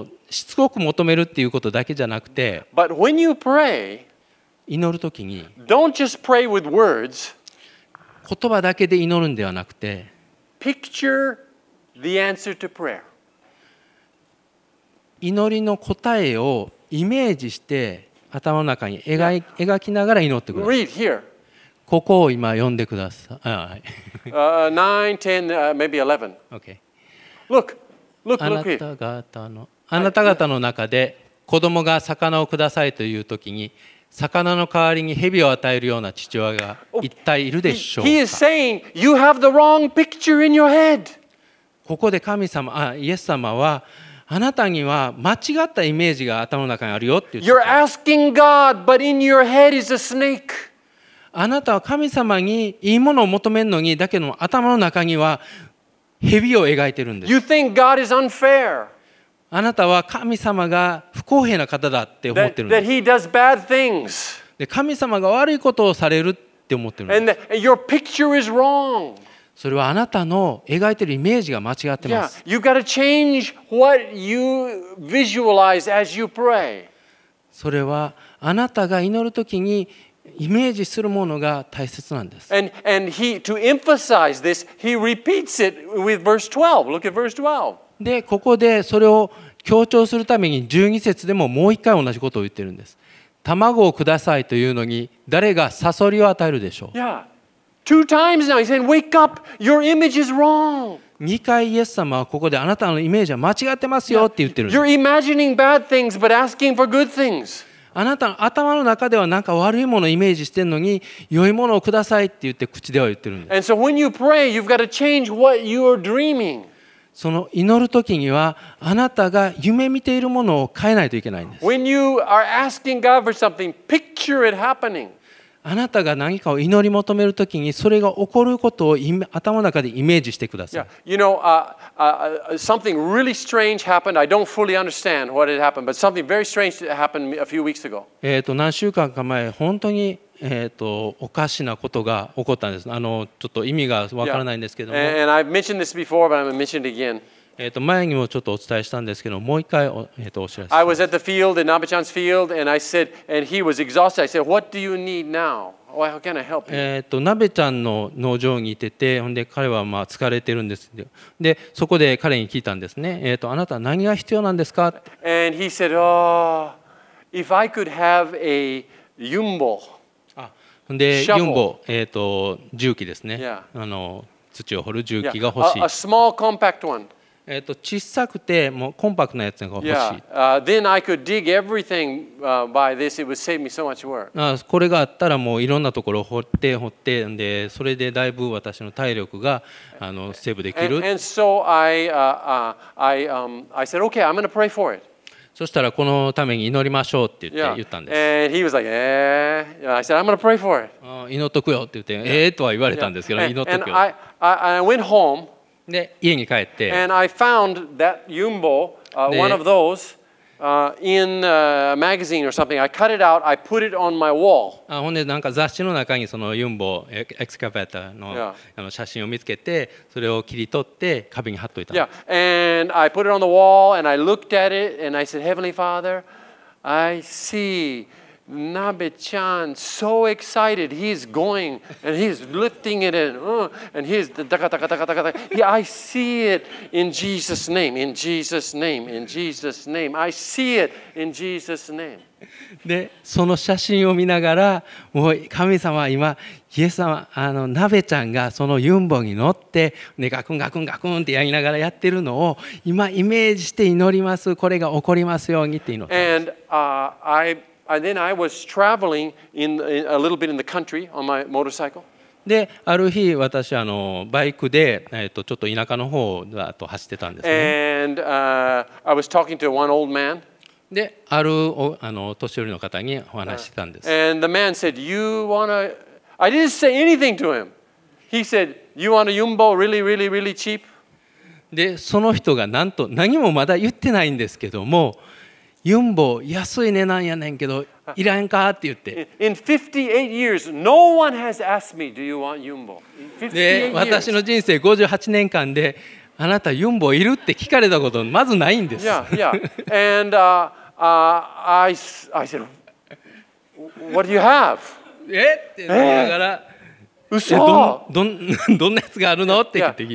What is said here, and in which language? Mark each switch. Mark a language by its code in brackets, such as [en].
[ja] しつこく求めるっていうことだけじゃなくて、 [en] but when you pray, [ja] 祈るときに、 [en] don't just pray with words. [ja] 言葉だけで祈るんではなくて、 [en] picture the answer to prayer. [ja] 祈りの答えをイメージして頭の中に描きながら祈ってください。 [en] Read here. [ja] ここを今読んでください。 [en] 9, 10, maybe 11. Okay. Look here. [ja] あなた方の中で子供が魚をくださいという時に魚の代わりに蛇を与えるような父親が一体いるでしょうか。 [en] He is saying you have the wrong picture in your head. [ja] ここで神様、イエス様はあなたには間違ったイメージが頭の中にあるよって言って。 [en] You're asking God, but in your head is a snake. [ja] あなたは神様にいいものを求めるのに、だけど頭の中には蛇を描いてるんです。 [en] You think God is unfair. [ja] あなたは神様が不公平な方だって思ってるんです。 [en] That he does bad things. [ja] で、神様が悪いことをされるって思ってるんです。 [en] And your picture is wrong. [ja] それはあなたの描いているイメージが間違ってます。 [en] Yeah, you've got to change what you visualize as you pray. [ja] それはあなたが祈るときにイメージするものが大切なんです。 [en] And he, to emphasize this, he repeats it with verse 12. Look at verse 12. [ja] で、ここでそれを強調するために12節でももう一回同じことを言ってるんです。卵をくださいというのに誰がサソリを与えるでしょう。 [en] Yeah. Two times now he said, "Wake up! Your image is wrong." [ja] 2回イエス様はここであなたのイメージは間違ってますよって言ってるんです。 [en] You're imagining bad things, but asking for good things. [ja] あなたの頭の中ではなんか悪いものをイメージしてるのに良いものをくださいって言って口では言ってるんです。 [en] And so when you pray, you've got to change what you're dreaming. [ja] その祈るときにはあなたが夢見ているものを変えないといけないんです。 [en] When you are asking God for something, picture it happening. [ja] あなたが何かを祈り求めるときにそれが起こることを頭の中でイメージしてください。 [en] Yeah. You know, something really strange happened. I don't fully understand what had happened, but something very strange happened a few weeks ago. [ja] 何週間か前、本当に。おかしなことが起こったんです。ちょっと意味がわからないんですけども。 [en] Yeah. And I've mentioned this before, but I'm going to mention it again. [ja] 前にもちょっとお伝えしたんですけど、もう一回お知らせします。 [en] I was at the field, in Nabachan's field, and I said, and he was exhausted. I said, "What do you need now? How can I help you?" [ja] ナベちゃんの農場にいてて、ほんで彼はまあ疲れてるんですよ。で、そこで彼に聞いたんですね。あなた何が必要なんですか？ [en] And he said, "Oh, if I could have a yumbo." [ja] でユンボ、重機ですね、 [en] yeah. [ja] 土を掘る重機が欲しい、 [en] yeah. a small, compact one. [ja] 小さくてもうコンパクトなやつが欲しい、 [en] yeah. Then I could dig everything by this. It would save me so much work. [ja] これがあったらもういろんなところを掘ってでそれでだいぶ私の体力がセーブできる [en] and so I said okay I'm going to pray for it [ja] そしたらこのために祈りましょうって言ったんです。 [en] Yeah. And he was like, "Eh." I said, "I'm going to pray for it." [ja] 祈っとくよって言って、yeah. とは言われたんですけど、yeah. 祈っとくよ。 [en] And I went home. [ja] で家に帰って。 [en] And I found that yumbo, one of those, in a magazine or something. I cut it out. I put it on my wall. [ja] ほんでなんか雑誌の中にそのユンボエクスカベーターの、yeah. 写真を見つけて、それを切り取って壁に貼っといた。 [en] Yeah. And I put it on the wall and I looked at it and I said, "Heavenly Father, I see Nabe-chan so excited. He's going and he's lifting it and he's da-ka-ta-ka-ta-ka-ta-ka-ta. Yeah, I see it in Jesus' name. In Jesus' name. In Jesus' name. I see it in Jesus' name." [ja] で、その写真を見ながら、もう神様は今、イエス様、ナベちゃんがそのユンボに乗って、ね、ガクンガクンガクンってやりながらやってるのを、今イメージして祈ります。これが起こりますようにって祈ったんです。 [en] And then I was traveling in a little bit in the country on my motorcycle. [ja] で、ある日私バイクでちょっと田舎の方だと走ってたんですね。 [en] And I was talking to one old man. [ja] で、ある年寄りの方にお話してたんです。 [en] And the man said, "You wanna?" I didn't say anything to him. He said, "You want a yumbo really, really, really cheap?" [ja] で、その人がなんと何もまだ言ってないんですけども。ユンボ安い値段やねんけどいらんかって言って [en] In 58 years, no one has asked me, "Do you want yumbo?" [ja] で、私の人生58年間であなたユンボいるって聞かれたことまずないんです。 [en] Yeah, yeah. And I said, "What do you have?" [ja] って言いながら嘘、どんなやつがあるのって聞いて、